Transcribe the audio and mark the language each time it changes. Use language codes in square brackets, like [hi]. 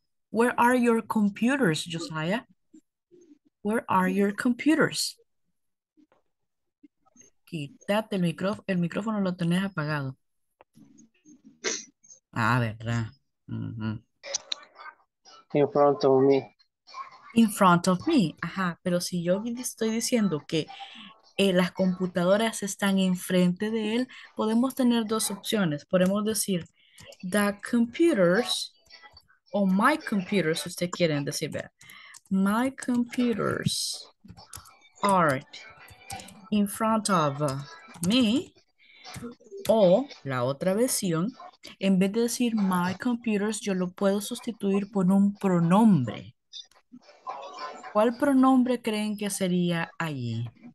[en] Where are your computers, Josiah? Where are your computers? [es] Quítate el micrófono lo tenés apagado. Ah, ¿verdad? [en] In front of me. In front of me. [es] Ajá, pero si yo estoy diciendo que las computadoras están enfrente de él, podemos tener dos opciones. Podemos decir, [en] the computers [es] o [en] my computers, [es] si ustedes quieren decir, vea. [en] My computers are in front of me. [es] O la otra versión, en vez de decir [en] my computers, [es] yo lo puedo sustituir por un pronombre. ¿Cuál pronombre creen que sería allí?